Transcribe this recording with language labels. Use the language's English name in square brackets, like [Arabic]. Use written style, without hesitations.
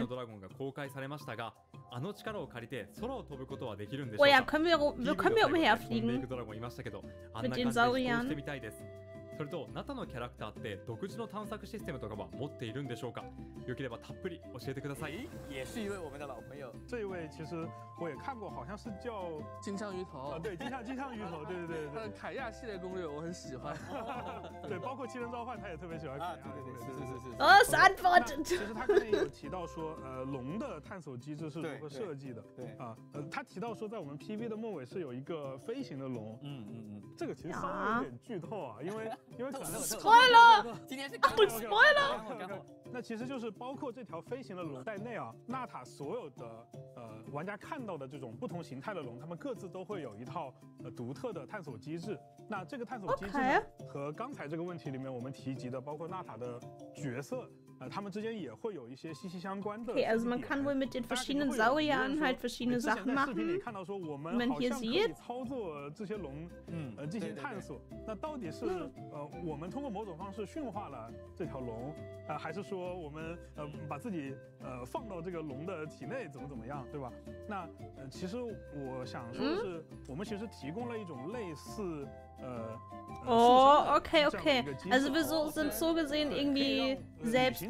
[Japanese] のドラゴンが公開されましたが、あの力を借りて空を飛ぶことはできるんでしょうか。 [German] Können wir umherfliegen? [Japanese] ドラゴンいましたけど、あんな感じでしてみたいです。それと、ナタのキャラクターって独自の探索システムとかは持っているんでしょうか。よければたっぷり教えてください。 [Chinese] 也是一位我们的老朋友。这一位其实我也看过，好像是叫金枪鱼头。对，金枪鱼头，对对对对。凯亚系列攻略我很喜欢。对，包括七人召唤，他也特别喜欢凯亚。对对对，是是是。 [English] Earth Advent。 [Chinese] 其实他刚才有提到说，龙的探索机制是如何设计的？对啊，他提到说在我们 PV 的末尾是有一个飞行的龙。嗯嗯嗯。这个其实稍微有点剧透啊，因为可能 [English] spoiler， [Chinese] 今天是 [English] spoiler。 [Chinese] 那其实就是包括这条飞行的龙在内啊，纳塔所有的玩家看到的这种不同形态的龙，他们各自都会有一套独特的探索机制。那这个探索机制呢，和刚才这个问题里面我们提及的，包括纳塔的角色，他们之间也会有一些息息相关的。 [German] Okay, also man kann wohl mit den verschiedenen Sauriern halt verschiedene Sachen machen. Wie man hier sieht. Wie man hier sieht. [Chinese] 操作这些龙，进行探索。那到底是我们通过某种方式驯化了这条龙，还是说我们把自己放到这个龙的体内怎么怎么样，对吧？那其实我想说的是，我们其实提供了一种类似。 [English] Oh, okay, okay. [German] Also wir so, sind so gesehen irgendwie selbst.